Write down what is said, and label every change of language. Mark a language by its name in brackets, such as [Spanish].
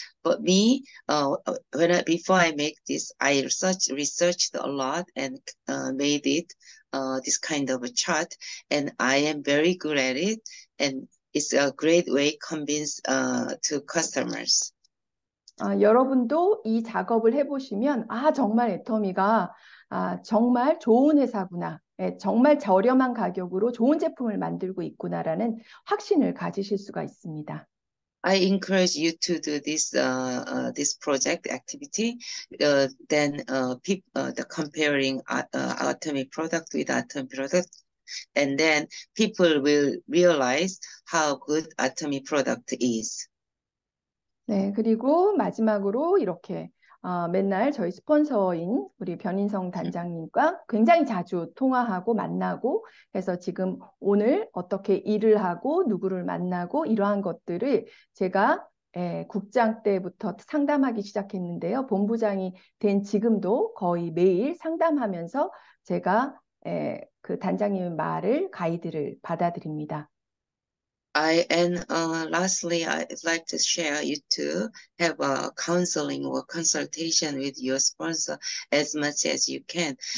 [English] But me, before I make this, I researched a lot and made it this kind of a chart. And I am very good at it. And it's a great way convince to customers. [Korean] 여러분도 이 작업을 해보시면, 아, 정말 애터미가 정말 좋은 회사구나. 예, 정말 저렴한 가격으로 좋은 제품을 만들고 있구나라는 확신을 가지실 수가 있습니다. [English] I encourage you to do this this project activity. Then the comparing Atomy product with Atomy product, and then people will realize how good Atomy product is. [Korean] 네, 그리고 마지막으로 이렇게 맨날 저희 스폰서인 우리 변인성 단장님과 굉장히 자주 통화하고 만나고 해서 지금 오늘 어떻게 일을 하고 누구를 만나고 이러한 것들을 제가 국장 때부터 상담하기 시작했는데요. 본부장이 된 지금도 거의 매일 상담하면서 제가 그 단장님 말을 가이드를 받아들입니다. [English] And lastly, I'd like to share you to have a counseling or consultation with your sponsor as much as you can.